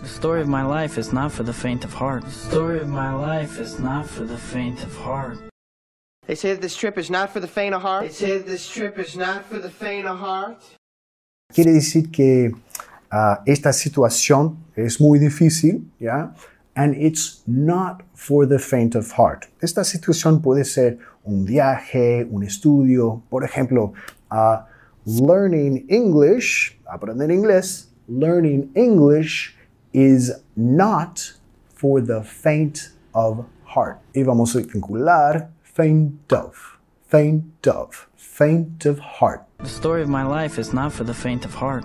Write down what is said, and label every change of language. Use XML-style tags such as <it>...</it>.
<en>The story of my life is not for the faint of heart. The story of my life is not for the faint of heart. They say that this trip is not for the faint of heart. They say that this trip is not for the faint of heart.</en> <es>Quiere decir que esta situación es muy difícil, ¿ya?</es> <en>And it's not for the faint of heart.</en> <es>Esta situación puede ser un viaje, un estudio. Por ejemplo,</es> <en>learning English,</en> <es>aprender inglés.</es> <en>Learning English is not for the faint of heart.</en> <es>Y vamos a vincular</es> <en>faint of, faint of, faint of heart. The story of my life is not for the faint of heart.</en>